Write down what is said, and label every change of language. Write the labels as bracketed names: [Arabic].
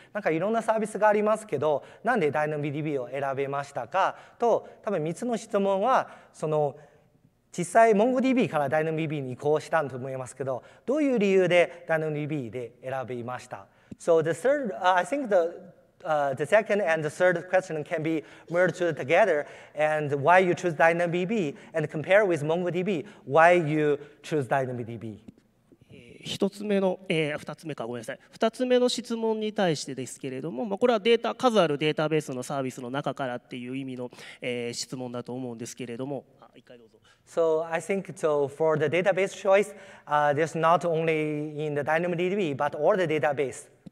[Japanese] なんかいろんなサービスがありますけど、なんで DynamoDB を選べましたかと、多分3つの質問は、その実際 MongoDB から DynamoDB に移行したと思いますけど、どういう理由で DynamoDB で選びました？ [English] So the third, I think the second and the third question can be merged together, and why you choose DynamoDB, and compare with MongoDB, why you choose DynamoDB. [Japanese] 一つ目の、二つ目か、ごめんなさい。二つ目の質問に対してですけれども、まあ、これはデータ、数あるデータベースのサービスの中からっていう意味の、質問だと思うんですけれども、あ、一回どうぞ。 [English] So I think so for the database choice, there's not only in the DynamoDB, but all the database.